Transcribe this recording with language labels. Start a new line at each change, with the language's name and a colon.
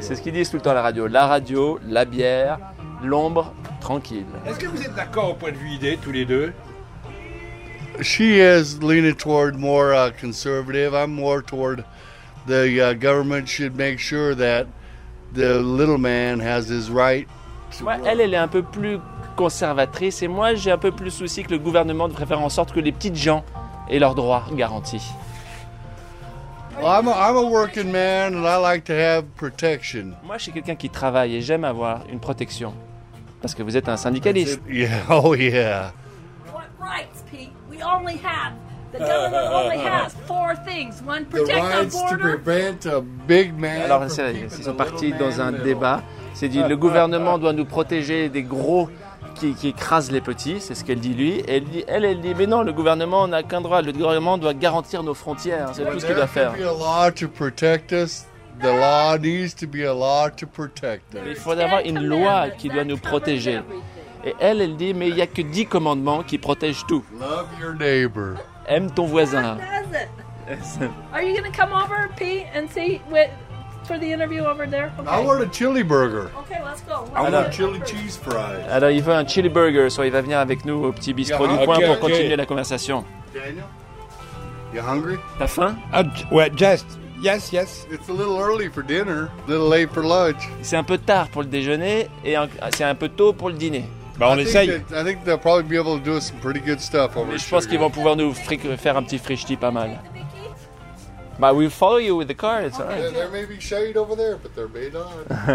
French: C'est ce qu'ils disent tout le temps à la radio. La radio, la bière, l'ombre, tranquille. Est-ce que vous êtes d'accord au point de vue idée, tous les deux?
English: She is leaning toward more conservative. I'm more toward the government should make sure that the little man has his right.
French: Ouais, elle est un peu plus conservatrice et moi j'ai un peu plus souci que le gouvernement devrait faire en sorte que les petites gens aient leurs droits garantis.
English: Well, I'm a working man and I like to have protection.
French: Moi, je suis quelqu'un qui travaille et j'aime avoir une protection. Parce que vous êtes un syndicaliste.
English: Yeah. Oh yeah. What rights, Pete? We only have the government only has four things. One, protect the border.
French: Alors, ils sont partis dans un débat. C'est dit, le gouvernement doit nous protéger des gros qui écrasent les petits. C'est ce qu'elle dit, lui. Et elle dit, mais non, le gouvernement n'a qu'un droit. Le gouvernement doit garantir nos frontières. C'est tout ce qu'il doit faire.
English: There should be a law to protect us. The law needs to be a law to protect us.
French: Il faut avoir une loi qui doit nous protéger. Et elle dit, mais il n'y a que 10 commandements qui protègent tout.
English: Love your neighbor.
French: Aime ton voisin.
English: Are you going to come over, Pete, and see what, for the interview over there? Okay. I want a chili burger. Okay, let's go. I want a chili cheese fries.
French: Alors, il veut un chili burger, soit il va venir avec nous au petit bistrot du coin pour continuer la conversation.
English: Daniel, you hungry?
French: T'as faim?
English: Yes. It's a little early for dinner, a little late for lunch.
French: C'est un peu tard pour le déjeuner et c'est un peu tôt pour le dîner. Bah on essaye.
English: I think they'll probably be able to do some pretty good stuff over here.
French: Je pense qu'ils vont pouvoir nous faire un petit frichti pas mal.
English: But we'll follow you with the car, it's all right. There may be shade over there, but there may not.